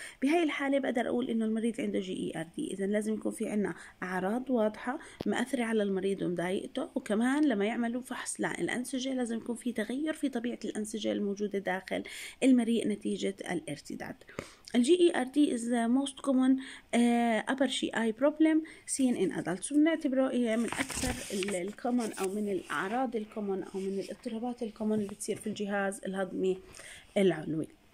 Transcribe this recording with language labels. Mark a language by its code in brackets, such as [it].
[ar] بهاي الحالة بقدر أقول إنه المريض عنده GERD. إذا لازم يكون في عنا أعراض واضحة مأثرة على المريض ومضايقته، وكمان لما يعملوا فحص للأنسجة لازم يكون في تغير في طبيعة الأنسجة الموجودة داخل المريء نتيجة الارتداد. [en] GERD is the most common upper GI problem seen in adults. [ar] بنعتبره هي من أكثر الكومون أو من الأعراض الكومون أو من الاضطرابات الكومون اللي بتصير في الجهاز الهضمي العلوي.